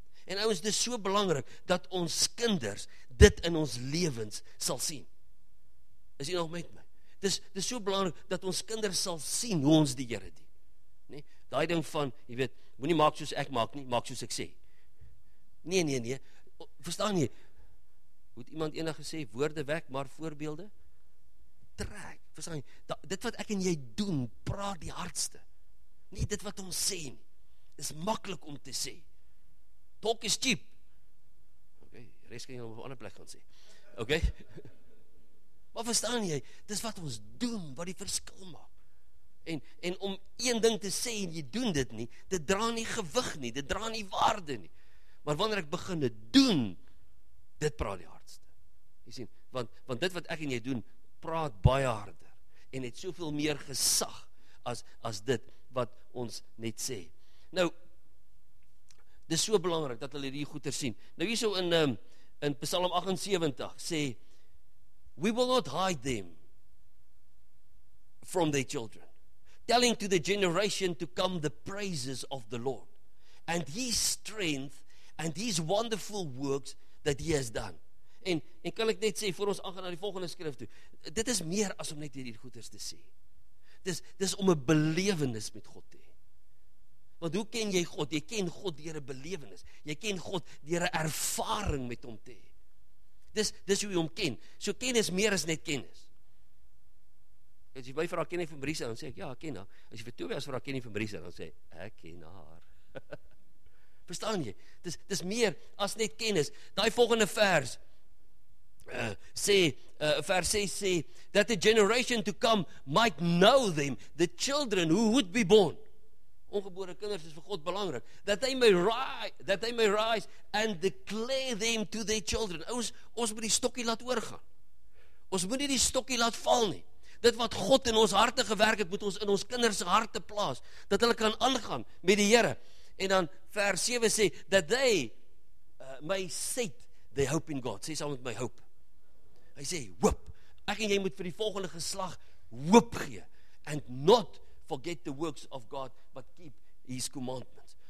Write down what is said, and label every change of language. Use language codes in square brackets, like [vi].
[af] En ouens, dis so belangrik dat ons kinders dit in ons lewens sal sien. Is jy nog met my? Dis so belangrik dat ons kinders sal sien hoe ons die Here dien. Nê? Daai ding van, jy weet, moenie maak soos ek maak nie, maak soos ek sê. Nee. Verstaan jy? Moet iemand enige sê woorde wek, maar voorbeelde trek. Verstaan jy? Dit wat ek en jy doen, praat die hardste. Nie dit wat ons sê nie. Is maklik om te sê. [en] Talk is cheap. [af] Okay, res kan jy op 'n ander plek gaan sê. Okay? Maar verstaan jy? Dis wat ons doen, wat die verskil maak. En om een ding te sê en jy doen dit nie, dit dra nie gewig nie, dit dra nie waarde nie. Maar wanneer ek begin dit doen, dit praat die hardste. Jy sien, want dit wat ek en jy doen, praat baie harder en het soveel meer gesag as dit wat ons net sê. Nou, dis so belangrik dat hulle hierdie goeie sien. Nou hierso in Psalm 78 sê, [en] we will not hide them from their children, telling to the generation to come the praises of the Lord and his strength and his wonderful works that he has done. [af] En kan ek net sê, voor ons aangaan na die volgende skrif toe, dit is meer as om net hierdie goeders te sê. Dis om 'n belewenis met God te hê. Want hoe ken jy God? Jy ken God deur 'n belewenis. Jy ken God deur 'n ervaring met hom te hê. Dis hoe jy hom ken. So kennis meer as net kennis. As jy by vir haar ken van Brisa, dan sê ek, ja, ek ken haar. As jy vir Tobias vir haar ken van Brisa, dan sê ek, ek ken haar. Verstaan jy? Dis meer as net kennis. Daai volgende vers, vers 6 sê, [en] that the generation to come might know them, the children who would be born. [af] Ongebore kinders is vir God belangrik. [en] That they may rise and declare them to their children. [af] Ons moet die stokkie laat oorgaan. Ons moet nie die stokkie laat val nie. Dit wat God in ons harte gewerk het, moet ons in ons kinders harte plaas, dat hulle kan aangaan met die Here. En dan vers 7 sê, [en] that they may set their hope in God. [af] Sê saam met my hoop. Hy sê, hoop. Ek en jy moet vir die volgende geslag hoop gee. [en] And not forget the works of God, but keep his commandments.